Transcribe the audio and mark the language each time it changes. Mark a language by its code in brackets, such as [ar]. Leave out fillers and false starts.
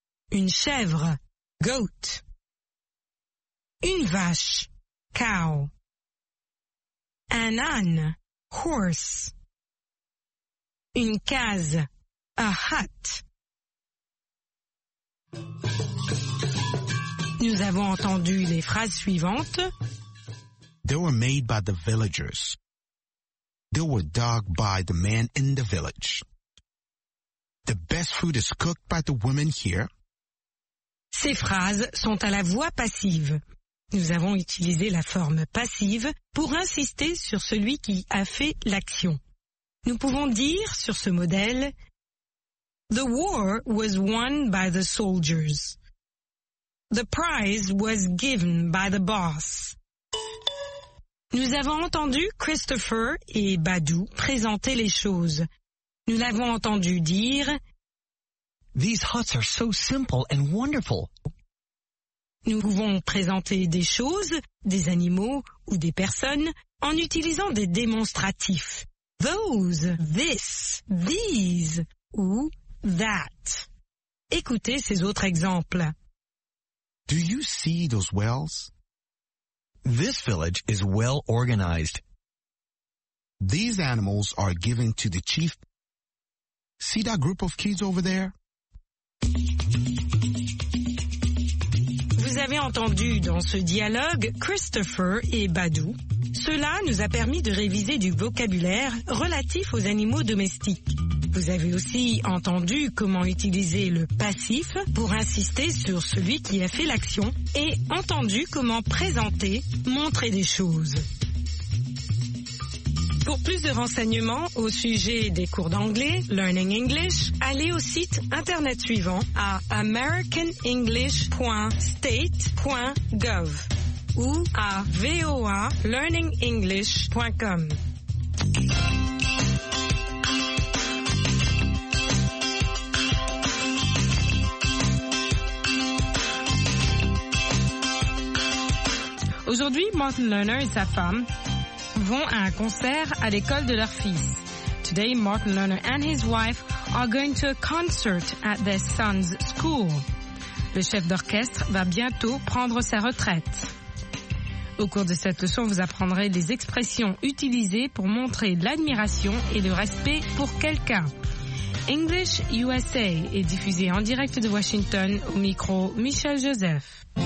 [fr] Une chèvre, [en] goat. [fr] Une vache, [en] cow. [fr] Un âne, [en] horse. [fr] Une case, [en] a hut. [fr] Nous avons entendu les phrases suivantes. [en] They were made by the villagers. They were dug by the man in the village. The best food is cooked by the women here. [fr] Ces phrases sont à la voix passive. Nous avons utilisé la forme passive pour insister sur celui qui a fait l'action. Nous pouvons dire sur ce modèle, [en] The war was won by the soldiers. The prize was given by the boss. [fr] Nous avons entendu Christopher et Badou présenter les choses. Nous l'avons entendu dire [en] These huts are so simple and wonderful. [fr] Nous pouvons présenter des choses, des animaux ou des personnes en utilisant des démonstratifs. [en] Those, this, these ou that. [fr] Écoutez ces autres exemples. [en] Do you see those wells? This village is well organized. These animals are given to the chief. See that group of kids over there? [fr] Vous avez entendu dans ce dialogue Christopher et Badou. Cela nous a permis de réviser du vocabulaire relatif aux animaux domestiques. Vous avez aussi entendu comment utiliser le passif pour insister sur celui qui a fait l'action et entendu comment présenter, montrer des choses. Pour plus de renseignements au sujet des cours d'anglais, Learning English, allez au site internet suivant à americanenglish.state.gov ou à voalearningenglish.com. Aujourd'hui, Martin Lerner et sa femme vont à un concert à l'école de leur fils. [en] Today, Martin Lerner and his wife are going to a concert at their son's school. [fr] Le chef d'orchestre va bientôt prendre sa retraite. Au cours de cette leçon, vous apprendrez les expressions utilisées pour montrer l'admiration et le respect pour quelqu'un. English USA est diffusé en direct de Washington au micro Michel Joseph.